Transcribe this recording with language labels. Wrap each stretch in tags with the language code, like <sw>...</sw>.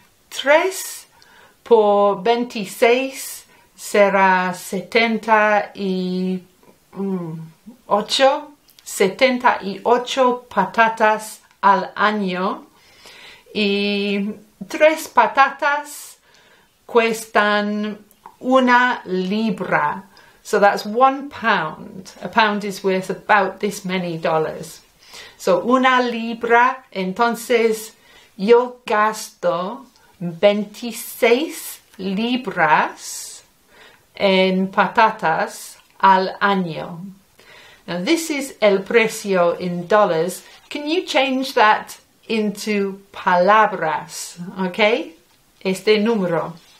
<es>3 por 26 será 78 patatas al año y 3 patatas cuestan 1 libra.</es> <en>So that's 1 pound. A pound is worth about this many dollars. So 1 libra.</en> <es>Entonces yo gasto 26 libras en patatas al año.</es> <en>Now this is</en> <es>el precio</es> <en>in dollars. Can you change that into palabras, okay?</en> <es>Este número.</es>